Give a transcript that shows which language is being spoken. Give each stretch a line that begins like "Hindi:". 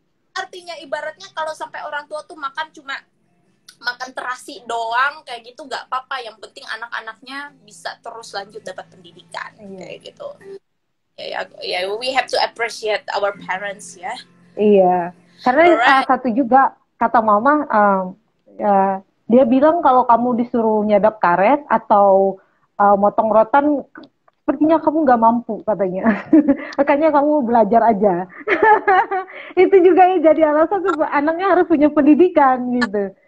Indonesian: Artinya ibaratnya kalau sampai orang tua tuh makan cuma makan terasi doang kayak gitu enggak apa-apa, yang penting anak-anaknya bisa terus lanjut dapat pendidikan kayak gitu.
English: Ya, we have to appreciate our parents ya.
Indonesian: Iya. Karena satu juga kata mama dia bilang kalau kamu disuruh nyadap karet atau motong rotan, sepertinya kamu nggak mampu katanya. Makanya kamu belajar aja. Itu juga ya jadi alasan supaya anaknya harus punya pendidikan gitu.